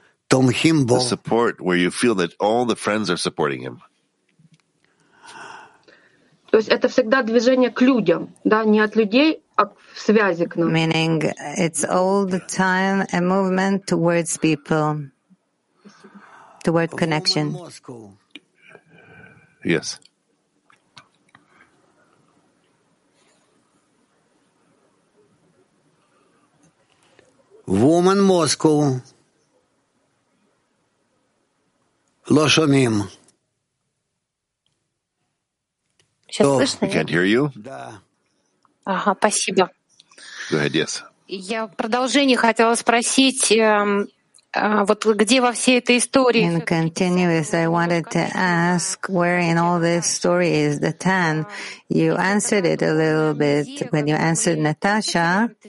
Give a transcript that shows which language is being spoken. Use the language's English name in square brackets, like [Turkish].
[English] The support where you feel that all the friends are supporting him. [Russian] То есть это всегда движение к людям, да, не от людей, а в связи к нам. [English] Meaning it's all the time a movement towards people, toward connection. Yes. Woman Moscow. Лошамим. I can't hear you. [Russian] Ага, спасибо. [English] Go ahead, yes. [Russian] Я в продолжение хотела спросить, вот где во всей этой истории? [English] In continuous, I wanted to ask where in all this story is the Tan. You answered it a little bit when you answered Natasha.